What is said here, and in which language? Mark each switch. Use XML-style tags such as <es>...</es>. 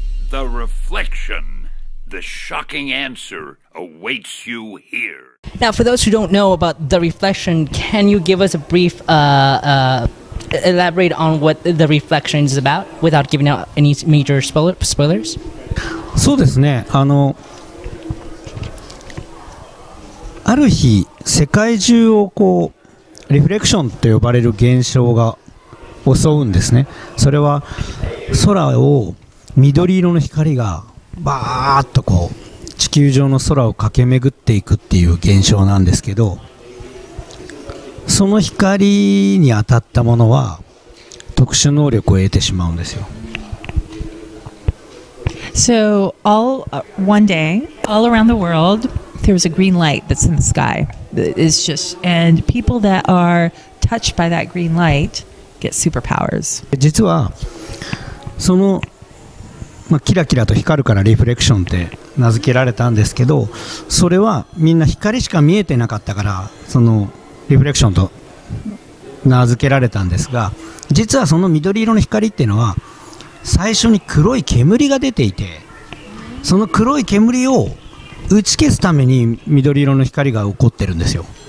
<en>The reflection, the shocking answer awaits you here. Now, for those who don't know about the reflection, can you give us a brief elaborate on what the reflection is about without giving out any major spoilers?</en> <ja>そうですね。あの、ある日、世界中をこうリフレクションと呼ばれる現象が襲うんですね。それは空を緑色の光がバーッとこう地球上の空を駆け巡っていくっていう現象なんですけど、その光に当たったものは特殊能力を得てしまうんですよ。</ja> <en>So all one day all around the world there was a green light that's in the sky. It's just and people that are touched by that green light get superpowers.</en> <ja>実はそのまあ、キラキラと光るからリフレクションって名付けられたんですけど、それはみんな光しか見えてなかったからそのリフレクションと名付けられたんですが、実はその緑色の光っていうのは最初に黒い煙が出ていて、その黒い煙を打ち消すために緑色の光が起こってるんですよ。</ja>